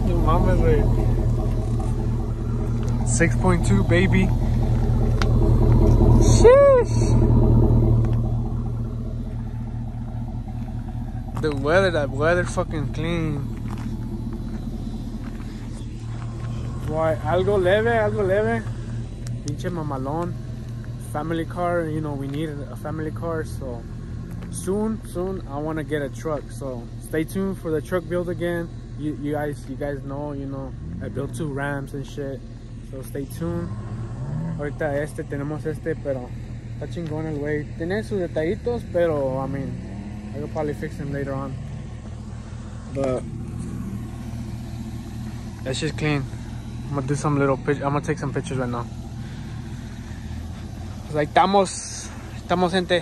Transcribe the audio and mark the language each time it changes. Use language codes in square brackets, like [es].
[es] No mames, güey. [en] 6.2, baby. Sheesh. The weather, that weather fucking clean. [es] Why, algo leve, pinche mamalón. [en] Family car, you know, we need a family car, so soon, I want to get a truck. So stay tuned for the truck build again. You guys know, you know, I built two Rams and shit. So stay tuned. [es] Ahorita este, tenemos este, pero está chingón el güey. Tiene sus detallitos, pero, [en] I mean, I'll probably fix him later on. But that's just clean. I'm gonna do some little pictures. I'm gonna take some pictures right now. [es] Pues ahí estamos. Estamos, gente.